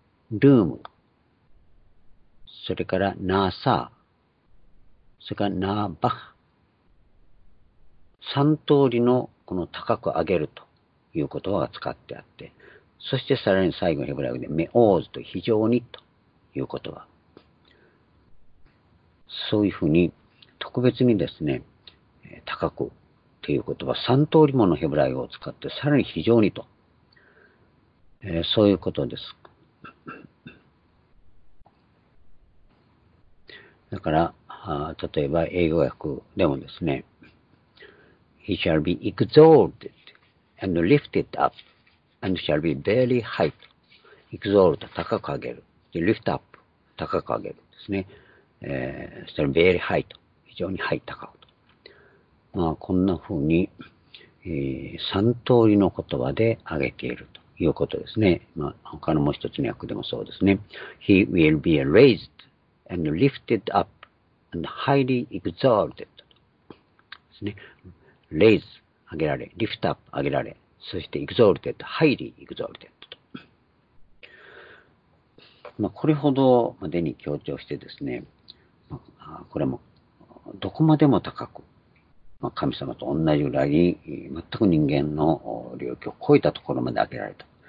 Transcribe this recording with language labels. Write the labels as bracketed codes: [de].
[ja] ルーム、それからナーサー、それからナーバッハ、三通りのこの高く上げるという言葉が使ってあって、そしてさらに最後にヘブライ語でメオーズと非常にという言葉。そういうふうに特別にですね、高くという言葉、三通りものヘブライ語を使って、さらに非常にと、そういうことです。だから、例えば英語訳でもですね、 [en] He shall be exalted and lifted up and shall be very high. [ja] Exalt, 高く上げる。Lift up, 高く上げるですね。それ very high と、非常に high、高くと。まあ、こんな風に、3通りの言葉で上げているということですね。まあ、他のもう一つの訳でもそうですね。 [en] He will be raised and lifted up and highly exalted ですね。 [ja] raise 上げられ、lift up 上げられ、そして exalted、highly exalted と。まあ、これほどまでに強調してですね、まあ、これもどこまでも高く、まあ、神様と同じぐらいに全く人間の領域を超えたところまで上げられた。